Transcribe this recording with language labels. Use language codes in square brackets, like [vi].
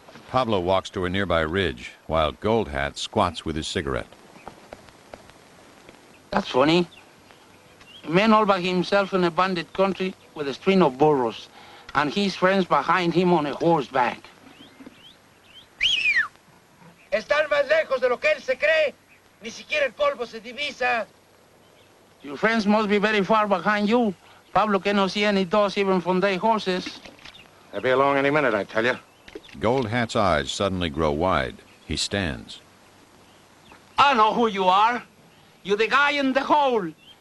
[en] Pablo walks to a nearby ridge while Gold Hat squats with his cigarette. That's funny. A man all by himself in a bandit country with a string of burros. And his friends behind him on a horseback. [es] Están más lejos de lo que él se cree. Ni siquiera el polvo se divisa. [en] Your friends must be very far behind you. Pablo cannot see any dogs even from their horses. They'll be along any minute, I tell you. Gold Hat's eyes suddenly grow wide. He stands. I know who you are. You're the guy in the hole.